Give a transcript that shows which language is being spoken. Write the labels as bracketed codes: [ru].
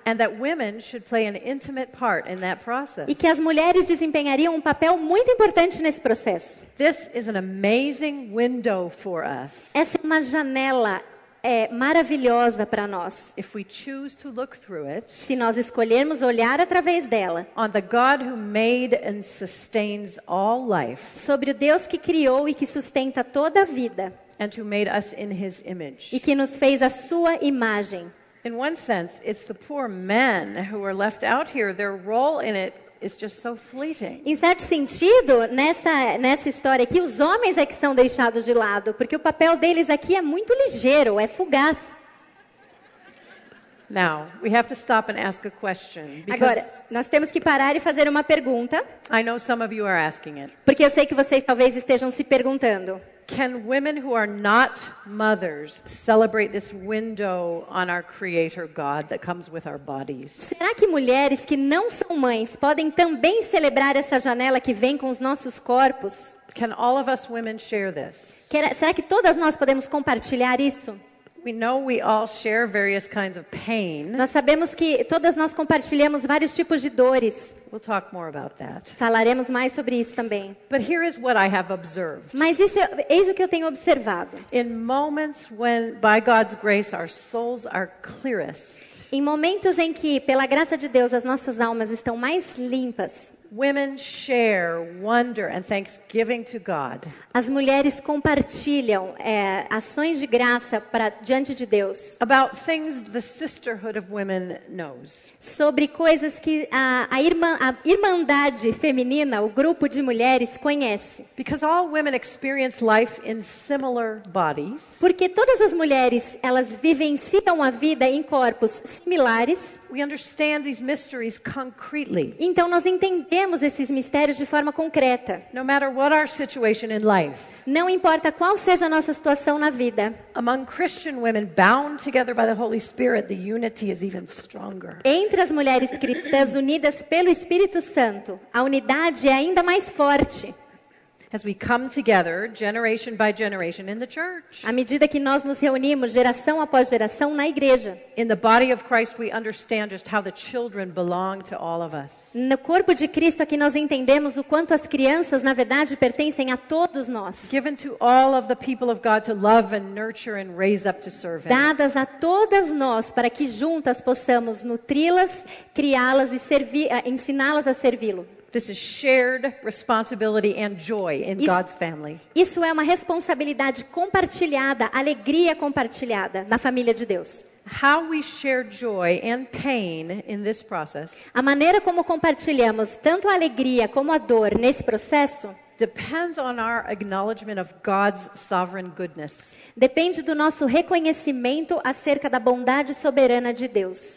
[en] And that women should play an intimate part in that process. [pt] E que as mulheres desempenhariam papel muito importante nesse processo. [en] This is an amazing window for us. [pt] Essa é uma janela maravilhosa para nós. [en] If we choose to look through it, [pt] se nós escolhermos olhar através dela, [en] on the God who made and sustains all life, [pt] sobre o Deus que criou e que sustenta toda a vida, [en] and who made us in His image, [pt] e que nos fez a sua imagem. [en] In one sense, it's the poor men who are left out here, their role in it is just so fleeting. [pt] Em certo sentido, nessa história aqui, os homens é que são deixados de lado, porque o papel deles aqui é muito ligeiro, é fugaz. [en] Now, we have to stop and ask a question, because [pt] agora, nós temos que parar e fazer uma pergunta. [en] I know some of you are asking it. [pt] Porque eu sei que vocês talvez estejam se perguntando. [en] Can women who are not mothers celebrate this window on our Creator God that comes with our bodies? [pt] Será que mulheres que não são mães podem também celebrar essa janela que vem com os nossos corpos? [en] Can all of us women share this? [pt] Será que todas nós podemos compartilhar isso? [en] We know we all share various kinds of pain. [pt] Nós sabemos que todas nós compartilhamos vários tipos de dores. [en] We'll talk more about that. [pt] Falaremos mais sobre isso também. [en] But here is what I have observed. [pt] Mas isso é o que eu tenho observado. [en] In moments when, by God's grace, our souls are clearest. [pt] Em momentos em que, pela graça de Deus, as nossas almas estão mais limpas. [en] Women share wonder and thanksgiving to God. [pt] As mulheres compartilham ações de graça para diante de Deus. [en] About things the sisterhood of women knows. [pt] Sobre coisas que a irmã, a irmandade feminina, o grupo de mulheres, conhece. [en] Because all women experience life in similar bodies. [pt] Porque todas as mulheres, elas vivenciam a vida em corpos similares. [en] We understand these mysteries concretely. [pt] Então nós entendemos esses mistérios de forma concreta. [en] No matter what our situation in life. [pt] Não importa qual seja a nossa situação na vida. [en] Among Christian women bound together by the Holy Spirit, the unity is even stronger. [pt] Entre as mulheres cristãs unidas pelo Espírito Santo, a unidade é ainda mais forte. [en] As we come together generation by generation in the church. [pt] À medida que nós nos reunimos geração após geração na igreja. [en] In the body of Christ we understand just how the children belong to all of us. [pt] No corpo de Cristo aqui nós entendemos o quanto as crianças na verdade pertencem a todos nós. [en] Given to all of the people of God to love and nurture and raise up to serve. [pt] Dadas a todas nós para que juntas possamos nutri-las, criá-las e servir, ensiná-las a servi-lo. [en] This is shared responsibility and joy in God's family. [pt] Isso é uma responsabilidade compartilhada, alegria compartilhada na família de Deus. [en] How we share joy and pain in this process. [pt] A maneira como compartilhamos tanto a alegria como a dor nesse processo [en] depends on our acknowledgement of God's sovereign goodness. [pt] Depende do nosso reconhecimento acerca da bondade soberana de Deus.